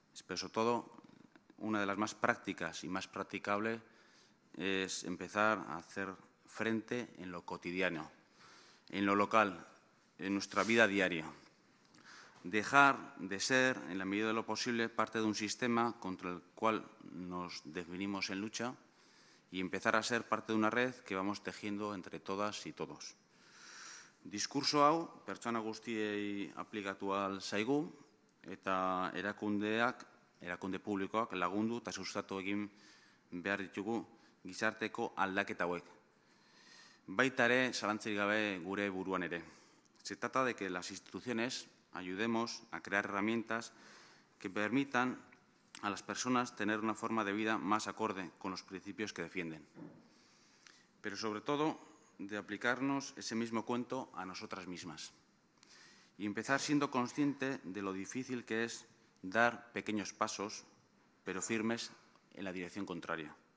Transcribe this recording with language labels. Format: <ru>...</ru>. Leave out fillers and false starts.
<es>Pero sobre todo, una de las más prácticas y más practicable es empezar a hacer frente en lo cotidiano, en lo local, en nuestra vida diaria. Dejar de ser, en la medida de lo posible, parte de un sistema contra el cual nos definimos en lucha y empezar a ser parte de una red que vamos tejiendo entre todas y todos.</es> <eu>Diskurso hau, pertsona guztiei aplikatu al zaigu, eta erakundeak, erakunde publikoak lagundu eta sustatu egin behar ditugu gizarteko aldaketa hauek. Baita ere, zalantzarik gabe gure buruan ere.</eu> <es>Se trata de que las instituciones ayudemos a crear herramientas que permitan a las personas tener una forma de vida más acorde con los principios que defienden. Pero sobre todo, de aplicarnos ese mismo cuento a nosotras mismas y empezar siendo consciente de lo difícil que es dar pequeños pasos, pero firmes, en la dirección contraria.</es>